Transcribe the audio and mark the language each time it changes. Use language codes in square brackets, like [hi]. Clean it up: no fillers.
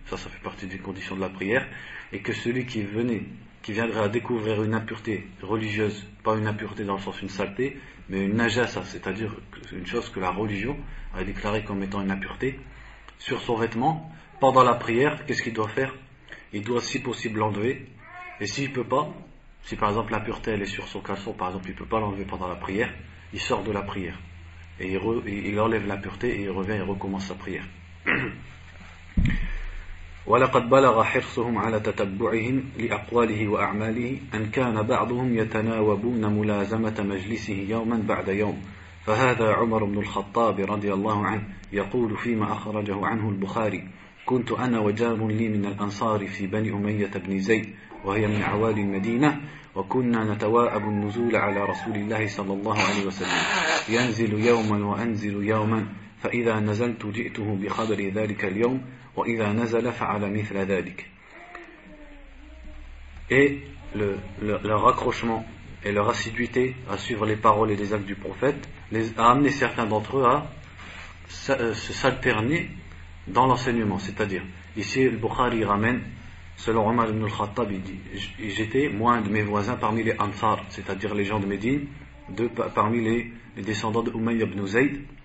[fr] Ça fait partie des conditions de la prière. Et que celui qui viendrait à découvrir une impureté religieuse, pas une impureté dans le sens une saleté, mais une najasa, c'est-à-dire une chose que la religion a déclarée comme étant une impureté, sur son vêtement, pendant la prière, qu'est-ce qu'il doit faire? Il doit si possible l'enlever, et s'il ne peut pas, si par exemple l'impureté elle est sur son caleçon, par exemple il ne peut pas l'enlever pendant la prière, il sort de la prière, et il enlève l'impureté, et il revient et recommence sa prière. [ar] ولقد بلغ حرصهم على تتبعهم لأقواله وأعماله أن كان بعضهم يتناوبون ملازمة مجلسه يوما بعد يوم فهذا عمر بن الخطاب رضي الله عنه يقول فيما أخرجه عنه البخاري كنت أنا وجار لي من الأنصار في بني أمية بن زيد وهي من عوالي المدينة وكنا نتواءب النزول على رسول الله صلى الله عليه وسلم ينزل يوما وأنزل يوما فإذا نزلت جئته بخبر ذلك اليوم وإذا نزل فعل مثل ذلك. [fr] Et leur accrochement et leur assiduité à suivre les paroles et les actes du prophète les a amené certains d'entre eux à se s'alterner dans l'enseignement. C'est-à-dire, ici le Bukhari ramène, selon Omar ibn al-Khattab, il dit, j'étais moi un de mes voisins parmi les Ansar, c'est-à-dire les gens de Médine, parmi les descendants de Umayy ibn Zayd.